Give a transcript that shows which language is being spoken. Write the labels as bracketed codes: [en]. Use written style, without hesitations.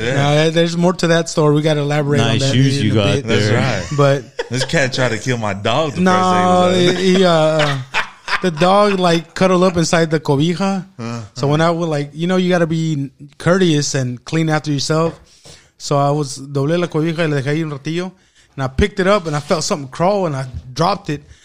[en] Yeah. There's more to that story. We got to elaborate nice on that. Nice shoes you got bit. There. That's right. But this cat tried to kill my dog. No, the dog, like, cuddled up inside the cobija. So when I was, like, you know, you got to be courteous and clean after yourself. So I was, [es] doble la cobija y le dejé ahí un ratillo. [en] And I picked it up, and I felt something crawl, and I dropped it.